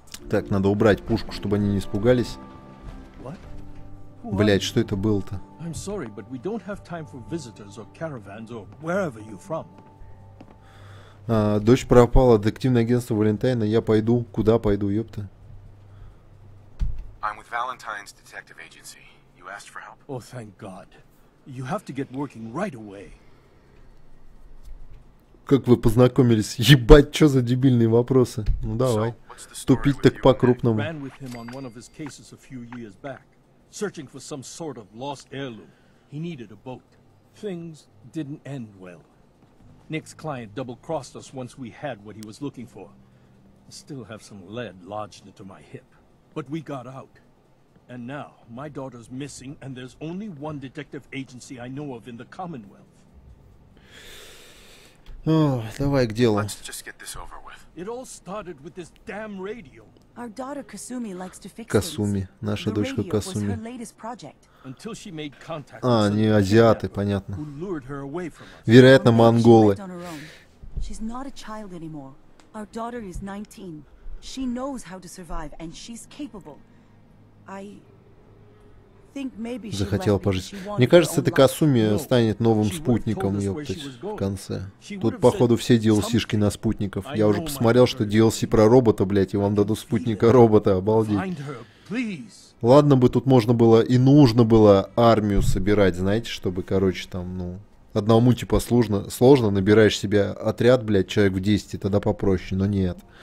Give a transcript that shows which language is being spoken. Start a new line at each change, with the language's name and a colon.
Russian: Так, надо убрать пушку, чтобы они не испугались. Блять, что это было-то?
English: I'm sorry, but we don't have time for visitors or caravans or wherever you from.
Russian: Дочь пропала, детективное агентство Валентайна. Я пойду. Куда пойду, ёпта?
English: I'm with Valentine's Detective Agency. You asked for help. Oh, thank God. You have to get working right away.
Russian: Как вы познакомились? Ебать, что за дебильные вопросы? Ну давай. Ступить так по-крупному.
English: Ran with him on one of his cases a few years back, searching for some sort of lost heirloom. He needed a boat. Things didn't end well. Nick's client double-crossed us once we had what he was looking for. I still have some lead lodged into my hip. But we got out. And now, my daughter's missing, and there's only one detective agency I know of in the Commonwealth.
Russian: Давай к делу.
English: Let's just get this over with. It all started with this damn radio. Our daughter Kasumi likes to fix Kasumi.
Russian: Наша дочка Kasumi.
English: Her latest project. Until she made contact.
Russian: А, не азиаты, понятно. Вероятно, монголы.
English: She's not a child anymore. Our daughter is 19. She knows how to survive and she's capable. I think maybe she
Russian: захотела пожить. Мне кажется, эта Kasumi станет новым спутником, ёптать, в конце. Тут, походу, все DLC-шки на спутников. Я уже посмотрел, что DLC про робота, блять, и вам дадут спутника робота, обалдеть. Ладно бы тут можно было и нужно было армию собирать, знаете, чтобы, короче, там, ну, одному типа сложно, набираешь себе отряд, блядь, человек в 10, тогда попроще, но нет.